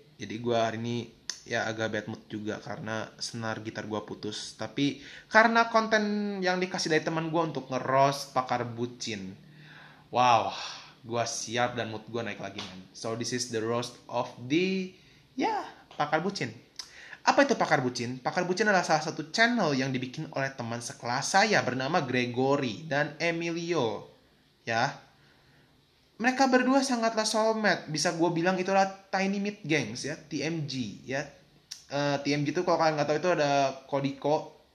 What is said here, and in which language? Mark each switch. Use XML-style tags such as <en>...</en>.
<id>Jadi gue hari ini ya agak</id> <en>bad mood</en> <id>juga karena senar gitar gue putus. Tapi karena konten yang dikasih dari teman gue untuk ngeroast pakar bucin. Wow, gue siap dan mood gue naik lagi, man.</id> <en>So this is the roast of the pakar bucin.</en> <id>Apa itu Pakar Bucin? Pakar Bucin adalah salah satu channel yang dibikin oleh teman sekelas saya bernama Gregory dan Emilio. Ya. Mereka berdua sangatlah soulmate. Bisa gue bilang itu adalah Tiny Meat Gangs ya. TMG ya. TMG itu kalau kalian gak tau itu ada Kodiko.</id>